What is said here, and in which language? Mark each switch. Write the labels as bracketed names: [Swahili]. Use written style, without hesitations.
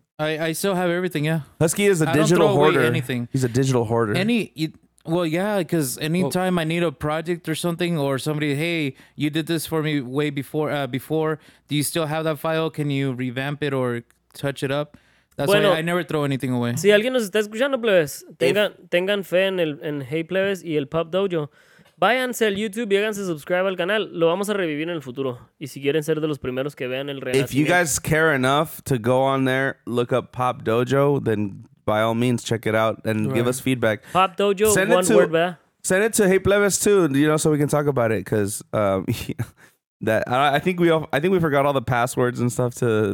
[English] I still have everything, yeah. Husky is a digital hoarder. Away anything. He's a digital hoarder. Because anytime I need a project or something, or somebody, hey, you did this for me way before. Do you still have that file? Can you revamp it or touch it up? That's why I never throw anything away. [Spanish] Si alguien nos está escuchando, plebes, tengan fe en el en Hey Plebes y el Pop Dojo. Váyanse al YouTube y háganse subscribe al canal. Lo vamos a revivir en el futuro. Y si quieren ser de los primeros que vean el [English] reality. If you guys care enough to go on there, look up Pop Dojo, then by all means, check it out and give us feedback. Pop Dojo, send one word, [Spanish] ¿verdad? [English] Send it to Hey Plebes too, you know, so we can talk about it. Because I think we forgot all the passwords and stuff to...